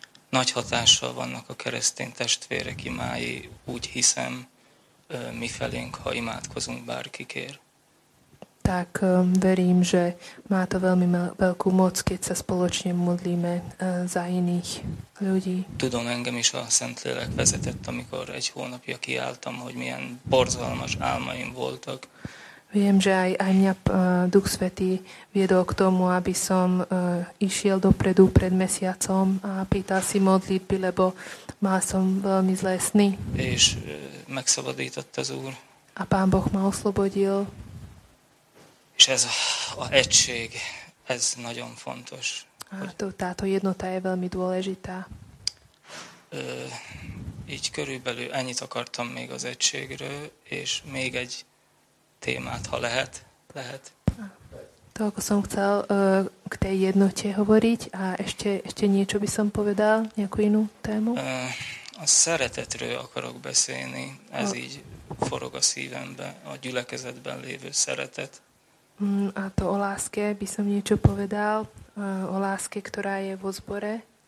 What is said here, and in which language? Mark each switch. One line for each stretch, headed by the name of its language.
Hungarian: Nagy hatással vannak a keresztény testvérek imái, úgy hiszem, mi felénk, ha imádkozunk bárkikér.
Slovak: Tak verím, že má to veľmi veľkú moc, keď sa spoločne modlíme za iných ľudí.
Hungarian: Tudom, engem is a Szentlélek vezetett, amikor egy hónapja kiálltam, hogy milyen borzalmas álmaim voltak.
Slovak: Viem, že aj mňa Duch Svätý viedol k tomu, aby som išiel dopredu pred mesiacom a pýtal si modlitby, lebo mal som veľmi zlé sny.
Hungarian: És megszabadított az Úr.
Slovak: A Pán Boh ma oslobodil.
Hungarian: És ez a egység, ez nagyon fontos.
Slovak: Táto jednota je veľmi dôležitá.
Hungarian: Így körülbelül ennyit akartam még az egységről, és még egy témát, ha lehet.
Slovak: To, ako som chcel k tej jednote hovoriť a ešte niečo by som povedal, nejakú inú tému?
Hungarian: A szeretetről akarok beszélni, ez így forog a szívembe, a gyülekezetben lévő szeretet.
Slovak: A to o láske by som niečo povedal, o láske, ktorá je vo zbore.